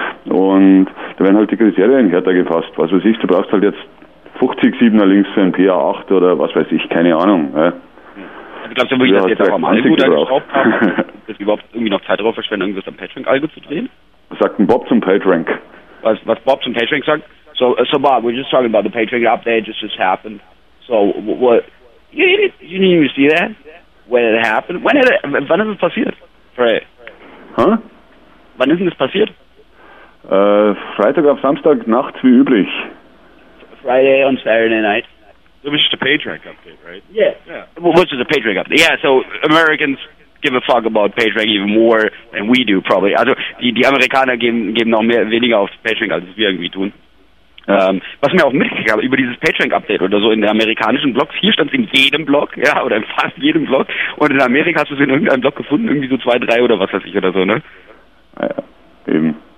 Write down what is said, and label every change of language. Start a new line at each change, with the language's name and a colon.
German: Und da werden halt die Kriterien härter gefasst. Was weiß ich, du brauchst halt jetzt 50 Siebener links für ein PA8 oder was weiß ich, keine Ahnung. Ja. Also glaubst du wirklich, dass jetzt auch am Algo da geschraubt haben? Dass wir überhaupt irgendwie noch Zeit darauf verschwenden, irgendwas am PageRank-Algo zu drehen? Was sagt denn Bob zum PageRank? Was Bob zum PageRank sagt?
English: So Bob, we're just talking about the PageRank update, just happened. So, what? You didn't even see that? When it happened?
German: Wann ist es passiert? Frey. Hä? Wann ist denn das passiert? Freitag auf Samstag, nachts wie üblich.
English: Friday on Saturday night. It was just a PageRank update, right? Yeah. Well, which is a PageRank update. Yeah, so Americans give a fuck about PageRank even more than we do, probably.
German: Also, die Amerikaner geben noch mehr weniger auf PageRank, als wir irgendwie tun. Ja. Was mir auch mitgekriegt habe über dieses PageRank-Update oder so in den amerikanischen Blogs, hier stand es in jedem Blog, ja, oder in fast jedem Blog, und in Amerika hast du es in irgendeinem Blog gefunden, irgendwie so 2, 3 oder was weiß ich oder so, ne? Ja, eben.